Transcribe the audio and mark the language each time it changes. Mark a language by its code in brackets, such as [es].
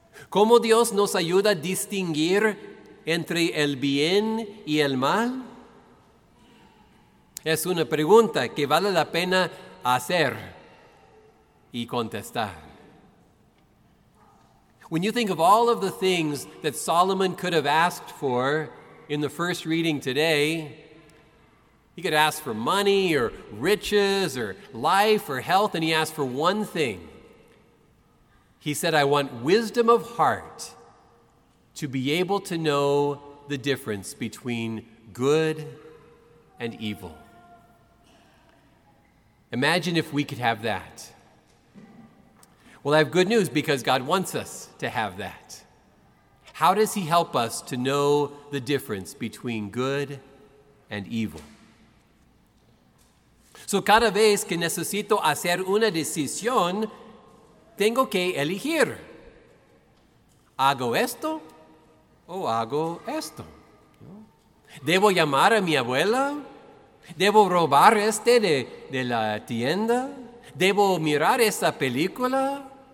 [es] ¿Cómo Dios nos ayuda a distinguir entre el bien y el mal? Es una pregunta que vale la pena hacer y contestar. [en] When you think of all of the things that Solomon could have asked for in the first reading today, he could ask for money or riches or life or health, and he asked for one thing. He said, I want wisdom of heart to be able to know the difference between good and evil. Imagine if we could have that. Well, I have good news, because God wants us to have that. How does he help us to know the difference between good and evil? [es] So cada vez que necesito hacer una decisión, tengo que elegir. ¿Hago esto o hago esto? ¿Debo llamar a mi abuela? ¿Debo robar este de la tienda? ¿Debo mirar esa película?